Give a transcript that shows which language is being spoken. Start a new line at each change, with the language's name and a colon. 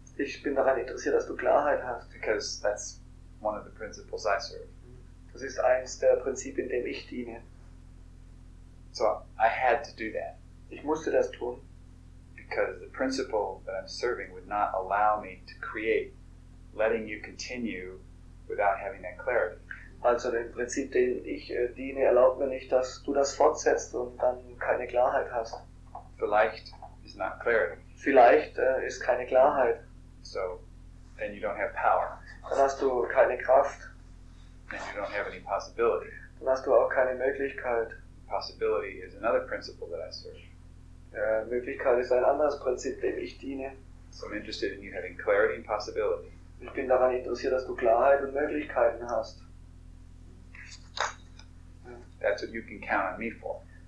German: Ich bin daran interessiert, dass du Klarheit hast.
English: Because that's one of the principles I serve.
German: Das ist eins der Prinzipien, dem ich diene.
English: So I had to do that.
German: Ich musste das tun.
English: Because the principle that I'm serving would not allow me to create, letting you continue without having that clarity.
German: Also dem Prinzip, dem ich diene, erlaubt mir nicht, dass du das fortsetzt und dann keine Klarheit hast. Vielleicht ist
English: not clarity.
German: Vielleicht ist keine Klarheit.
English: So, then you don't have power.
German: Dann hast du keine Kraft.
English: Then you don't have any possibility.
German: Dann hast du auch keine Möglichkeit.
English: Possibility is another principle that I serve.
German: Möglichkeit ist ein anderes Prinzip, dem ich diene.
English: So I'm interested in you having clarity and possibility.
German: Ich bin daran interessiert, dass du Klarheit und Möglichkeiten hast.
English: That's what you can count on me for.